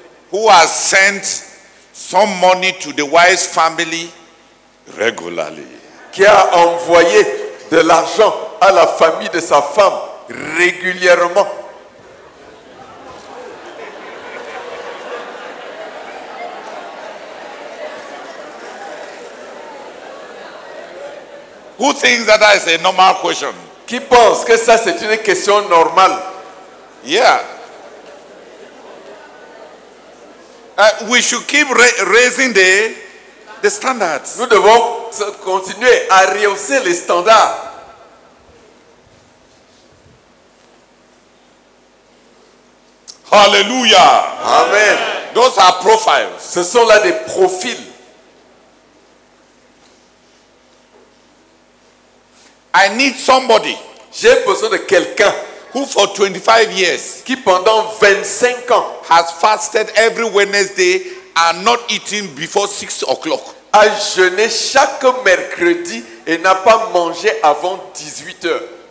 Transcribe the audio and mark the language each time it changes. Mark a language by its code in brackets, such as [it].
[en] who has sent some money to the wife's family regularly? [fr] Qui a envoyé de l'argent à la famille de sa femme régulièrement? [en] Who thinks that that is a normal question? [fr] Qui pense que ça c'est une question normale? [en] Yeah. We should keep raising the standards. [fr] Nous devons continuer à rehausser les standards. Hallelujah. Amen. [en] Those are profiles. [fr] Ce sont là des profils. [en] I need somebody. [fr] J'ai besoin de quelqu'un [en] who for 25 years [fr] qui pendant 25 ans [en] has fasted every Wednesday and not eaten before 6 o'clock. [fr] A jeûné chaque mercredi et n'a pas mangé avant 18 heures.